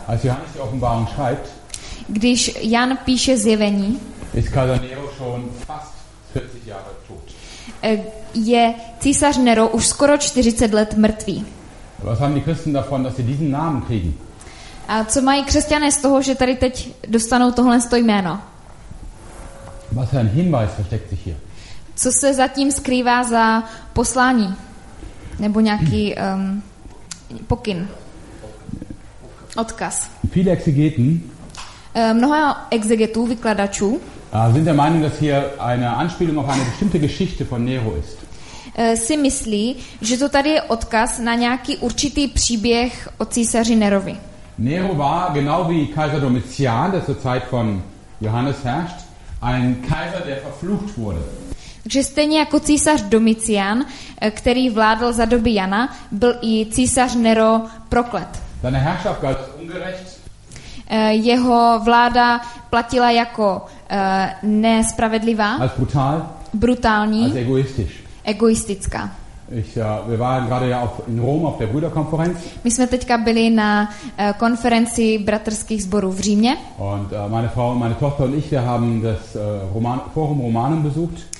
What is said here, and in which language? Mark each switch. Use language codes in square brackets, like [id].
[de] Als Johannes die Offenbarung schreibt, [cs] když Jan píše zjevení, [de] ist Kaiser Nero schon fast 40 Jahre tot. [cs] Je císař Nero už skoro 40 let mrtvý. [de] Was haben die Christen davon, dass sie diesen Namen kriegen? [cs] A co mají křesťané z toho, že tady teď dostanou tohle jméno? [de] Was für ein Hinweis versteckt sich hier? [cs] Co se zatím skrývá za poslání? Nebo nějaký pokyn? Odkaz. [de] Viele exegeten, [cs] mnoho exegetů, vykladačů, [de] sind der Meinung, dass hier eine Anspielung auf eine bestimmte Geschichte von Nero ist. [cs] Si myslí, že to tady je odkaz na nějaký určitý příběh o císaři Nerovi. [de] Nero war genau wie Kaiser Domitian, der zur Zeit von Johannes herrscht, ein Kaiser, der verflucht wurde. [cs] Takže stejně jako císař Domitian, který vládl za doby Jana, byl i císař Nero proklet. [de] Seine Herrschaft galt ungerecht. [cs] Jeho vláda platila jako nespravedlivá. [de] Als brutal. [cs] Brutální. [de] Als egoistisch. [cs] Egoistická. [de] Wir waren gerade ja auch in Rom auf der Brüderkonferenz. [cs] My jsme teďka byli na konferenci bratrských sborů v Římě. [de] Und meine Frau und meine Tochter und ich, wir haben das Forum Romanum besucht.